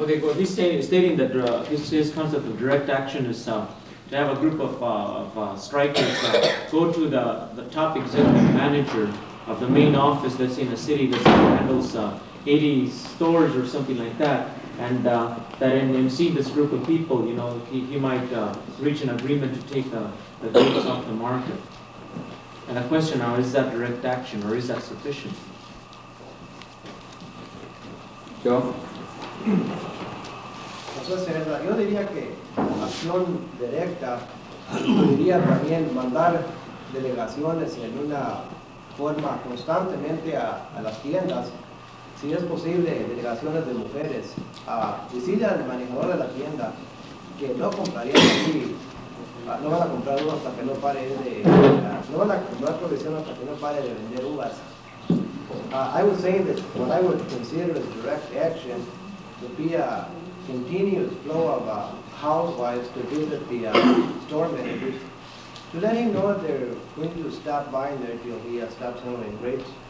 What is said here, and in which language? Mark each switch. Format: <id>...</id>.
<en>Okay, well, he's stating that his concept of direct action is to have a group of strikers go to the top executive manager of the main office that's in a city that handles 80 stores or something like that, and that in seeing this group of people, he might reach an agreement to take the goods off the market. And the question now is that direct action or is that sufficient? Go.</en> <es>Entonces, yo diría que acción directa podría también mandar delegaciones en una forma constantemente a las tiendas, si es posible, delegaciones de mujeres, a decirle al manejador de la tienda que no compraría aquí, no van a comprar uvas hasta que no pare de, no van a comprar provisión hasta que no pare de vender uvas.</es> <en>I would say that what I would consider as direct action would be a continuous flow of housewives to visit the store managers to let him know they're going to stop buying there till he stops selling grapes.</en>